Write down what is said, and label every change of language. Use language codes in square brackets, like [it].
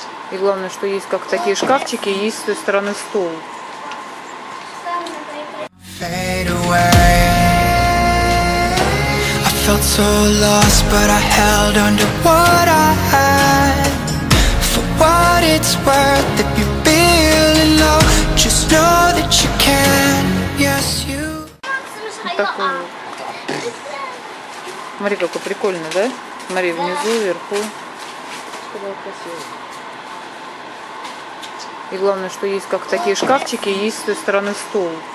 [ru] И главное, что есть как такие шкафчики, и есть с той стороны стол. [en] Felt so lost, but I held on to what I had. For what it's worth, if you're feeling low, just know that you can. Yes, you. [ru] Вот такой вот. Смотри, какой прикольный, да? Смотри, внизу, вверху. И главное, что есть как такие шкафчики, и есть с той стороны стол.